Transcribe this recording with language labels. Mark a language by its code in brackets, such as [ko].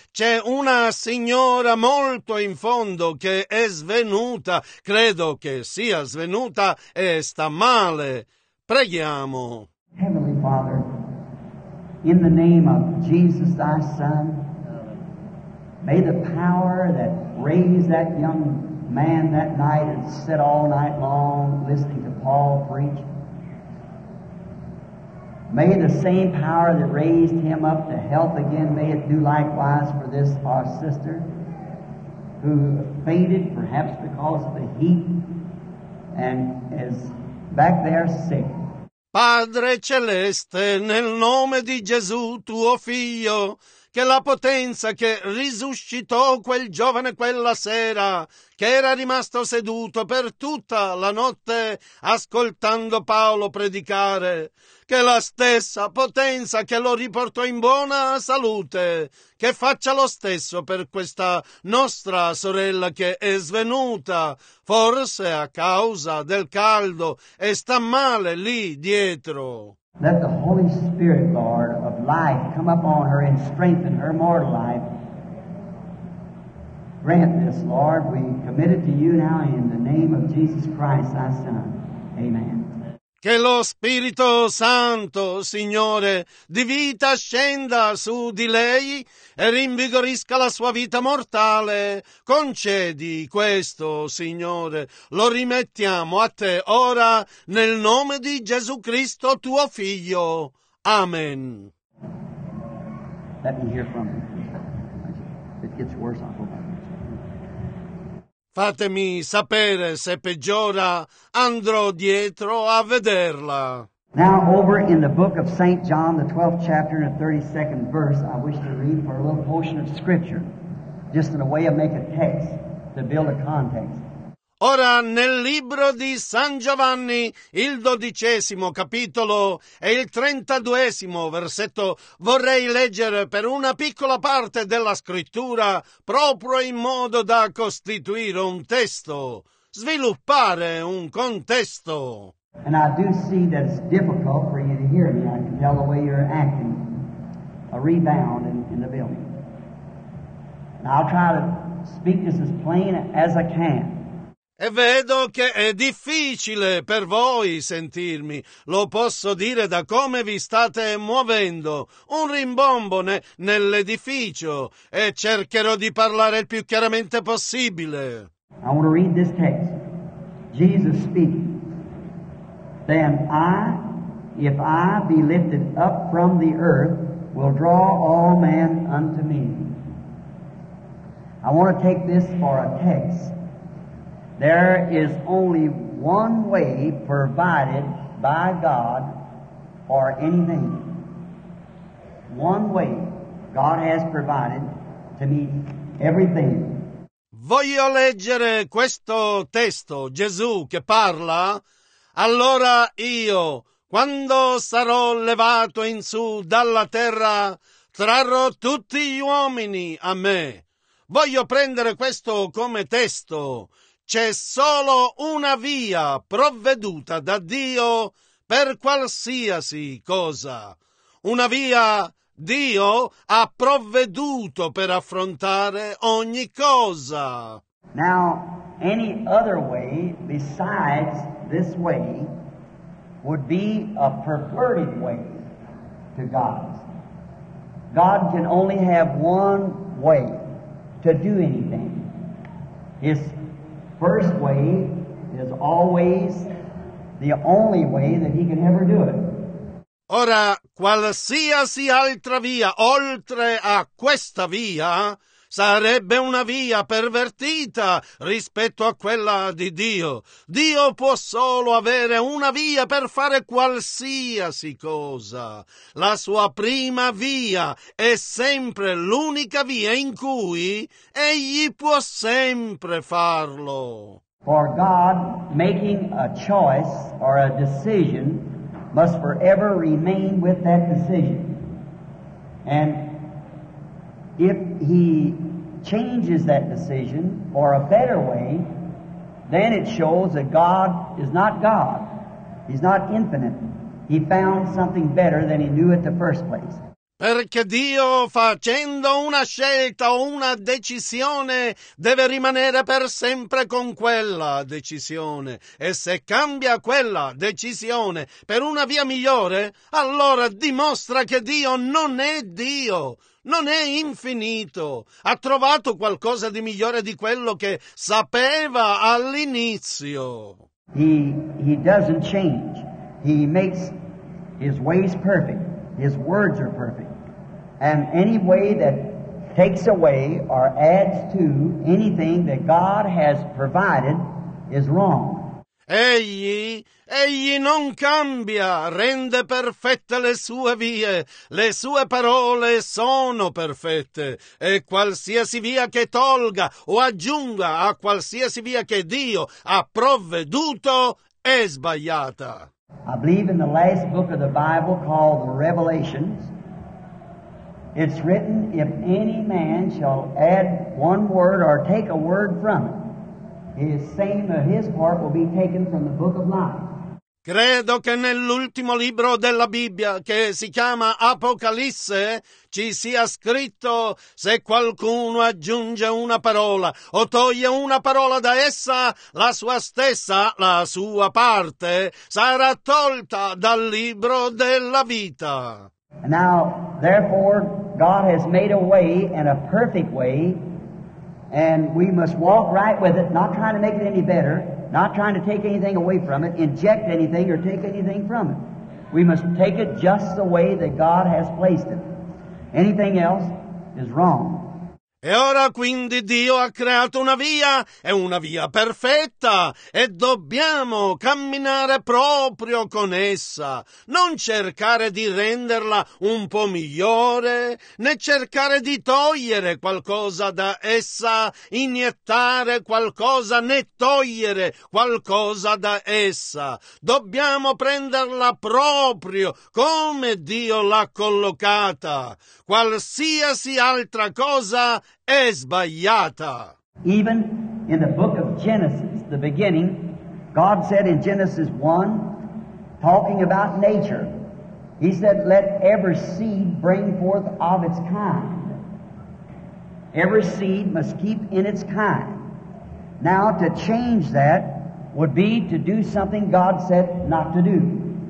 [it] C'è una signora molto in fondo che è svenuta. Credo che sia svenuta e sta male. Preghiamo. [en] Heavenly Father, in the name of Jesus, thy Son, may the power that raised that young man that night and sit all night long listening to Paul preach, may the same power that raised him up to health again, may it do likewise for this our sister who fainted, perhaps because of the heat, and is back there sick. [it] Padre Celeste, nel nome di Gesù, tuo Figlio, che la potenza che risuscitò quel giovane quella sera, che era rimasto seduto per tutta la notte ascoltando Paolo predicare, che la stessa potenza che lo riportò in buona salute, che faccia lo stesso per questa nostra sorella che è svenuta, forse a causa del caldo, e sta male lì dietro. [en] Let the Holy Spirit, Lord, of life come upon her and strengthen her mortal life. Grant this, Lord, we commit it to you now in the name of Jesus Christ, thy Son. Amen. [it] Che lo Spirito Santo, Signore, di vita scenda su di lei e rinvigorisca la sua vita mortale. Concedi questo, Signore. Lo rimettiamo a te ora nel nome di Gesù Cristo, tuo Figlio. Amen. [en] Let me hear from you. It gets worse, I hope. [it] Fatemi sapere se peggiora, andrò dietro a vederla. [en] Now over in the book of St. John, the 12th chapter and the 32nd verse, I wish to read for a little portion of scripture, just in a way of make a text, to build a context. [it] Ora nel libro di San Giovanni, il 12° capitolo e il 32° versetto, vorrei leggere per una piccola parte della scrittura proprio in modo da costituire un testo, sviluppare un contesto. [en] And I do see that it's difficult for you to hear me. I can tell the way you're acting, a rebound in the building. And I'll try to speak this as plain as I can. [it] E vedo che è difficile per voi sentirmi. Lo posso dire da come vi state muovendo. Un rimbombo nell'edificio. E cercherò di parlare il più chiaramente possibile. [en] I want to read this text. Jesus speaking. Then I, if I be lifted up from the earth, will draw all men unto me. I want to take this for a text. There is only one way provided by God for anything. One way God has provided to meet everything. [it] Voglio leggere questo testo, Gesù che parla. Allora io, quando sarò levato in su dalla terra, trarrò tutti gli uomini a me. Voglio prendere questo come testo. C'è solo una via provveduta da Dio per qualsiasi cosa. Una via Dio ha provveduto per affrontare ogni cosa. [en] Now, any other way besides this way would be a perverted way to God. God can only have one way to do anything. His first way is always the only way that he can ever do it. [it] Ora, qualsiasi altra via oltre a questa via sarebbe una via pervertita rispetto a quella di Dio. Dio può solo avere una via per fare qualsiasi cosa. La sua prima via è sempre l'unica via in cui egli può sempre farlo. [en] For God making a choice or a decision must forever remain with that decision. And if he changes that decision for a better way, then it shows that God is not God. He's not infinite. He found something better than he knew at the first place. [it] Perché Dio, facendo una scelta o una decisione, deve rimanere per sempre con quella decisione. E se cambia quella decisione per una via migliore, allora dimostra che Dio non è Dio, non è infinito. Ha trovato qualcosa di migliore di quello che sapeva all'inizio. [en] He doesn't change. He makes his ways perfect. His words are perfect. And any way that takes away or adds to anything that God has provided is wrong. [it] Egli non cambia, rende perfette le sue vie. Le sue parole sono perfette. E qualsiasi via che tolga o aggiunga a qualsiasi via che Dio ha provveduto è sbagliata. [en] I believe in the last book of the Bible called the Revelations. It's written, if any man shall add one word or take a word from it, his same of his part will be taken from the book of life. [it] Credo che nell'ultimo libro della Bibbia, che si chiama Apocalisse, ci sia scritto, se qualcuno aggiunge una parola o toglie una parola da essa, la sua stessa, la sua parte, sarà tolta dal libro della vita. [en] And now, therefore, God has made a way and a perfect way, and we must walk right with it, not trying to make it any better, not trying to take anything away from it, inject anything or take anything from it. We must take it just the way that God has placed it. Anything else is wrong. [it] E ora quindi Dio ha creato una via, è una via perfetta, e dobbiamo camminare proprio con essa. Non cercare di renderla un po' migliore, né cercare di togliere qualcosa da essa, iniettare qualcosa, né togliere qualcosa da essa. Dobbiamo prenderla proprio come Dio l'ha collocata. Qualsiasi altra cosa è sbagliata. [en] Even in the book of Genesis, the beginning, God said in Genesis 1, talking about nature, he said, let every seed bring forth of its kind. Every seed must keep in its kind. Now, to change that would be to do something God said not to do.